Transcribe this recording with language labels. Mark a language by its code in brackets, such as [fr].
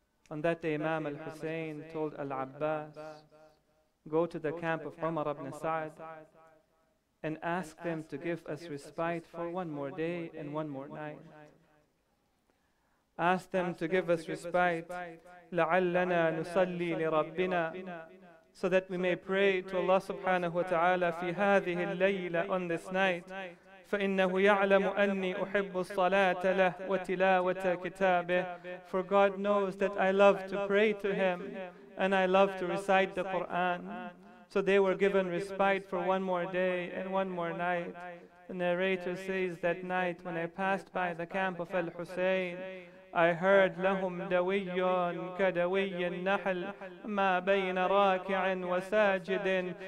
[en] On that day, Imam al-Hussein told al-Abbas, "Go to the camp of Umar ibn Sa'd and ask them to give us respite for one more day and one more night. Ask them to give us respite, [ar] لَعَلَّنَا نُصَلِّي لِرَبِّنَا, [en] so that we may pray to Allah subhanahu wa ta'ala fi [ar] هَذِهِ اللَّيْلَ, [en] on this night, [ar] فإنه يعلم أني أحب الصلاة له وتلاوة كتابه. [en] For God knows that I love to pray to him and I love to recite the Quran. So they were given respite for one more day and one more night. The narrator says, that night when I passed by the camp of Al-Husayn, I heard [ar] لهم دوي كدوي النحل ما بين راكع وساجد.